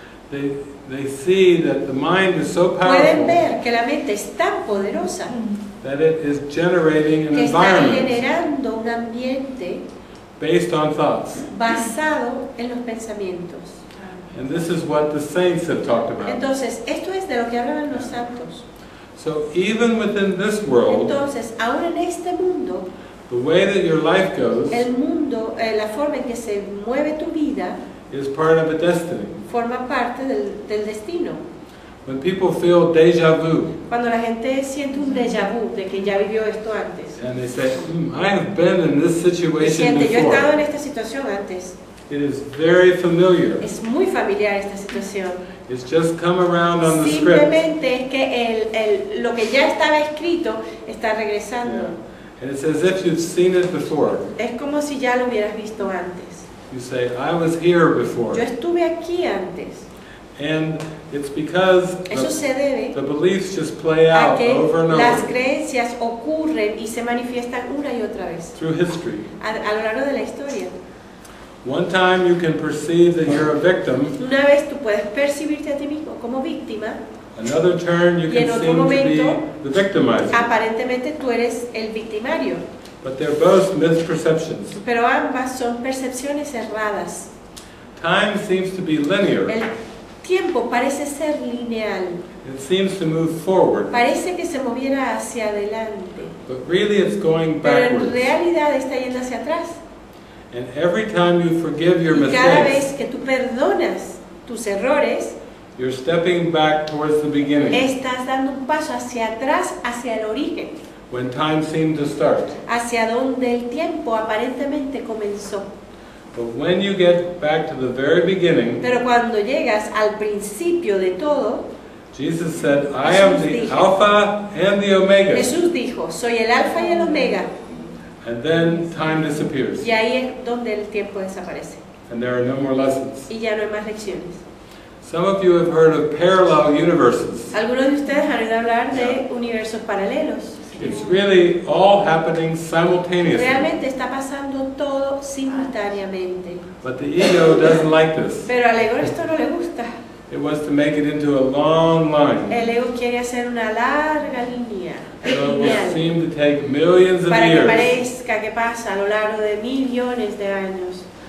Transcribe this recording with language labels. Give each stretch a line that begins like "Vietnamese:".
English: They see that the mind is so powerful.
Spanish: Pueden ver que la mente es tan poderosa.
English: That it is generating an
Spanish: environment. Que está generando un ambiente.
English: Based on thoughts.
Spanish: Basado en los pensamientos.
English: And this is what the saints have talked about.
Spanish: Entonces, esto es de lo que hablan los santos.
English: So even within this world.
Spanish: Entonces, aún en este mundo.
English: The way that your life goes,
Spanish: el mundo, la forma en que se mueve tu vida,
English: is part of a destiny.
Spanish: Forma parte del destino.
English: When people feel déjà vu,
Spanish: cuando la gente siente un déjà vu de que ya vivió esto antes,
English: and they say, I have been in this situation
Spanish: siente,
English: before.
Spanish: Yo he estado en esta situación antes.
English: It is very familiar.
Spanish: Es muy familiar esta situación.
English: It's just come around on the script.
Spanish: Simplemente es que lo que ya estaba escrito está regresando.
English: Yeah. And it's as if you've seen it before.
Spanish: Es como si ya lo hubieras visto antes.
English: You say, I was here before.
Spanish: Yo estuve aquí antes.
English: And it's because
Spanish: eso se debe
English: the beliefs just play out
Spanish: a que
English: over and over.
Spanish: Las creencias ocurren y se manifiestan una y otra vez.
English: Through history.
Spanish: A lo largo de la historia.
English: One time you can perceive that you're a victim.
Spanish: Una vez tú puedes percibirte a ti mismo como víctima.
English: Another turn, you can seem
Spanish: momento,
English: to be the victimizer.
Spanish: Aparentemente, tú eres el victimario.
English: But they're both misperceptions.
Spanish: Pero ambas son percepciones erradas.
English: Time seems to be linear.
Spanish: El tiempo parece ser lineal.
English: It seems to move forward.
Spanish: Parece que se moviera hacia adelante.
English: But really, it's going backwards.
Spanish: Pero en realidad, está yendo hacia atrás.
English: And every time you forgive your mistakes,
Spanish: y cada vez que tú perdonas tus errores,
English: you're stepping back towards the beginning.
Spanish: Estás dando un paso hacia atrás, hacia el origen.
English: When time seemed to start.
Spanish: Hacia donde el tiempo aparentemente comenzó.
English: But when you get back to the very beginning.
Spanish: Pero cuando llegas al principio de todo.
English: Jesus said, I am the Alpha and the Omega.
Spanish: Jesús dijo, soy el Alfa y el Omega.
English: And then time disappears.
Spanish: Y ahí es donde el tiempo desaparece.
English: And there are no more lessons.
Spanish: Y ya no hay más lecciones.
English: Some of you have heard of parallel universes.
Spanish: Algunos de ustedes han oído hablar de universos paralelos.
English: It's really all happening simultaneously.
Spanish: Realmente está pasando todo simultáneamente.
English: But the ego doesn't like this.
Spanish: Pero al ego esto no le gusta.
English: It wants to make it into a long line.
Spanish: El ego quiere hacer una larga línea.
English: And it will seem to take millions of
Spanish: para
English: years.
Spanish: Para que parezca que pasa a lo largo de millones de años.